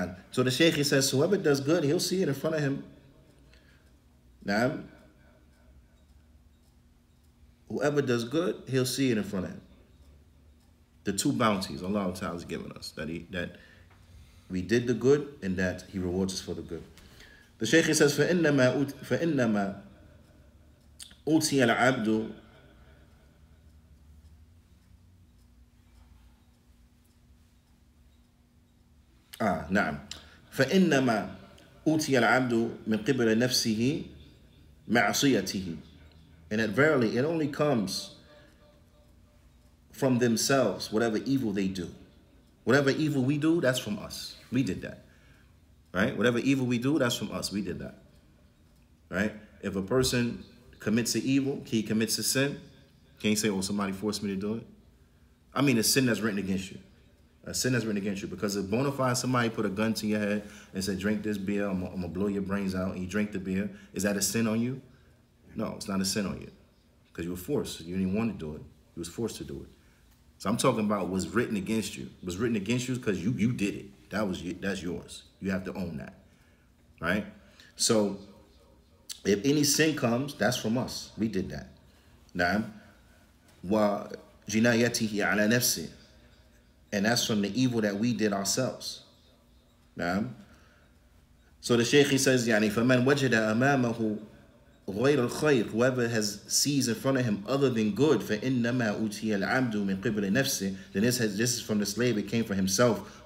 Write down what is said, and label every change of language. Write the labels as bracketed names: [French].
[English] So the Shaykh, he says, whoever does good, he'll see it in front of him. Now, whoever does good, he'll see it in front of him. The two bounties Allah Ta'ala has given us, that we did the good and that he rewards us for the good. The Shaykh, he says, [Arabic] فَإِنَّمَا أُوْتِيَ الْعَبْدُ نعم فإنما أوتي العبد من قبل نفسه معصيته. [English] And that verily it only comes from themselves, whatever evil they do. Whatever evil we do, that's from us. We did that. Right? Whatever evil we do, that's from us. We did that. Right? If a person commits an evil, he commits a sin, can't say, oh, somebody forced me to do it. I mean, a sin that's written against you. A sin that's written against you. Because if bona fide somebody put a gun to your head and said, drink this beer, I'm gonna blow your brains out, and you drink the beer, is that a sin on you? No, it's not a sin on you. Because you were forced. You didn't want to do it. You was forced to do it. So I'm talking about what's written against you. What's written against you is because you did it. That's yours. You have to own that. Right? So if any sin comes, that's from us. We did that. [Arabic] Now, wa jinayatihi ala nafsi. [English] And that's from the evil that we did ourselves. [Arabic] Naam. [English] So the Shaykh, he says, [Arabic] يعني فَمَنْ وَجَدَ أَمَامَهُ غَيْرَ الْخَيْرِ. [English] Whoever has sees in front of him other than good, [Arabic] فَإِنَّمَا أُوْتِيَ الْعَبْدُ مِنْ قِبْلِ نَفْسِ. [English] Then this is from the slave, it came from himself.